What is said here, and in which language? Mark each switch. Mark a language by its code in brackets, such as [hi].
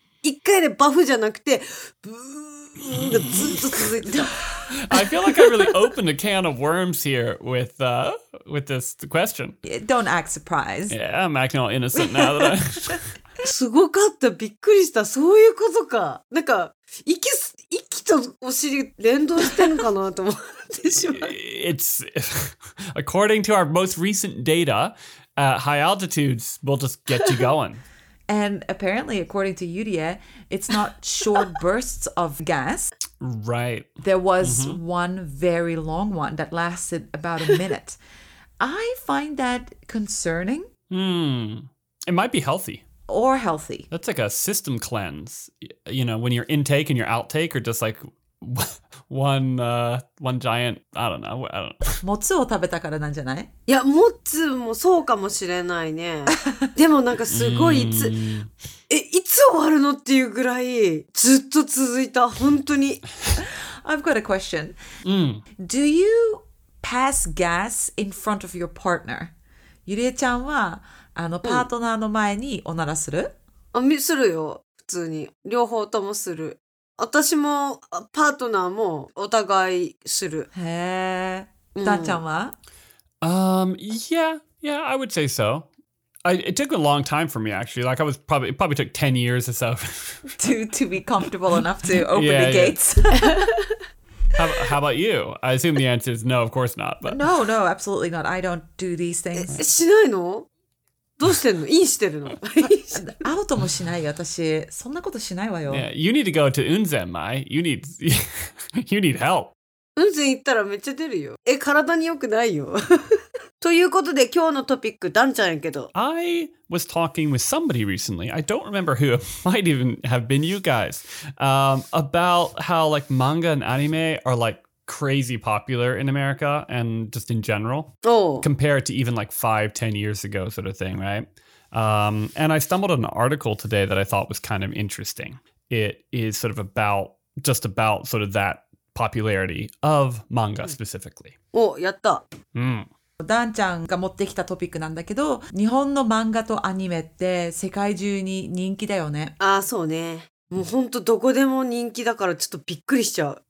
[ja] 一回でバフじゃなくて、ブーがずっと続いてた。 [en] I feel like I really opened a can of worms here with this question. Don't act surprised. Yeah, I'm acting all innocent now that I... [ja] すごかった、びっくりした、そういうことか。なんか、息とお尻連動してるかなと思ってしまう。 [en] It's... According to our most recent data, high altitudes will just get you going. And apparently, according to Yuria, it's not short bursts of gas. Right. There was one very long one that lasted about a minute. I find that concerning. It might be healthy. Or healthy. That's like a system cleanse. You know, when your intake and your outtake are just like one giant, I don't know. [ja] もつを食べたからなんじゃない？いや、もつもそうかもしれないね。でもなんかすごいいつ終わるのっていうぐらいずっと続いた、本当に。 [en] I've got a question. Do you pass gas in front of your partner? [ja] ゆりえちゃんはあのパートナーの前におならする？あ、するよ、普通に。両方ともする。私もパートナーもお互いする。へえ。だちゃんは？ [en] Yeah, I would say so. It took a long time for me actually. Like it probably took 10 years or so. to be comfortable enough to open the gates. How about you? I assume the answer is no, of course not. But no, absolutely not. I don't do these things. [ja] しないの？どうしてんの？インしてるの？アウトもしないよ、私。そんなことしないわよ。 [en] Yeah, you need to go to 雲仙、Mai. You need help. [ja] 雲仙行ったらめっちゃ出るよ。え、体に良くないよ。ということで、今日のトピック、ダンちゃんやけど。 [en] I was talking with somebody recently. I don't remember who. It might even have been you guys. About how, like, manga and anime are, like,crazy popular in America and just in general. Oh. Compared to even like 5-10 years ago sort of thing, right? And I stumbled on an article today that I thought was kind of interesting. It is sort of about, just about sort of that popularity of manga specifically. [ja] Oh, やった。ダンちゃんが持ってきたトピックなんだけど、日本の漫画とアニメって世界中に人気だよね。あ、そうね。もう本当どこでも人気だからちょっとびっくりしちゃう。